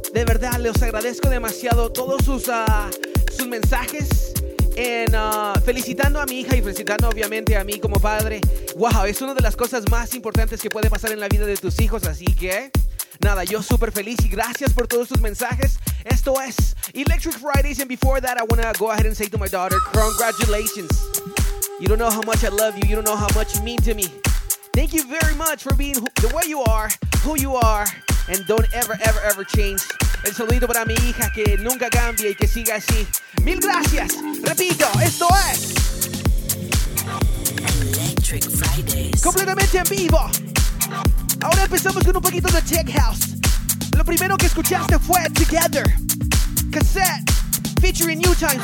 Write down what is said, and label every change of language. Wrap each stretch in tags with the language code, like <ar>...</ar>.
<es>De verdad, les agradezco demasiado todos sus mensajes en felicitando a mi hija y felicitando obviamente a mí como padre. ¡Wow! Es una de las cosas más importantes que puede pasar en la vida de tus hijos. Así que, nada, yo súper feliz y gracias por todos sus mensajes. Esto es Electric Fridays.</es> <en>And before that, I want to go ahead and say to my daughter, congratulations. You don't know how much I love you. You don't know how much you mean to me. Thank you very much for being the way you are, who you are. And don't ever, ever, ever change.</en> <es>El saludito para mi hija, que nunca cambie y que siga así. Mil gracias. Repito, esto es Electric Fridays. Completamente en vivo. Ahora empezamos con un poquito de Tech House. Lo primero que escuchaste fue Together Cassette featuring New Times.</es>